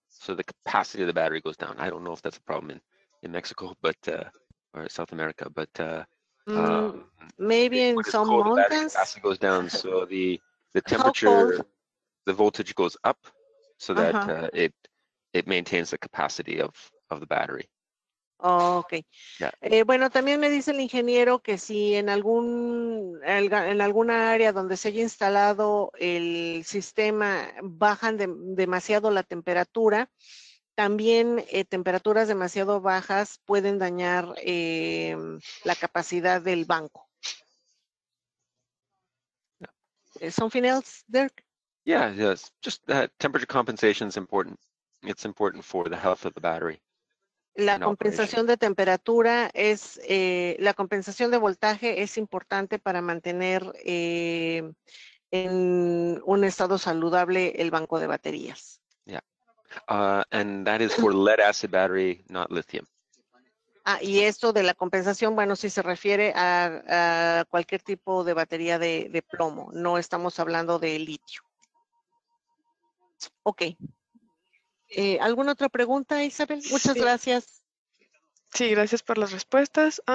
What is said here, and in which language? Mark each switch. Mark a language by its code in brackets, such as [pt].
[en] So the capacity of the battery goes down. I don't know if that's a problem in Mexico, but or South America, but maybe in some cold, mountains. The battery capacity goes down, so the temperature, the voltage goes up, so that it maintains the capacity of the battery. Oh, okay. Yeah. [es] Bueno, también me dice el ingeniero que si en alguna área donde se haya instalado el sistema bajan demasiado la temperatura, también temperaturas demasiado bajas pueden dañar la capacidad del banco. [en] Yeah. Something else, Dirk? Yeah, yes. Just that temperature compensation is important. It's important for the health of the battery. [es] La compensación de temperatura es, la compensación de voltaje es importante para mantener en un estado saludable el banco de baterías. [en] Yeah, and that is for lead acid battery, not lithium. [es] Ah, y esto de la compensación, bueno, sí se refiere a cualquier tipo de batería de plomo, no estamos hablando de litio. Ok. ¿Alguna otra pregunta, Isabel? Muchas gracias. Sí, gracias por las respuestas.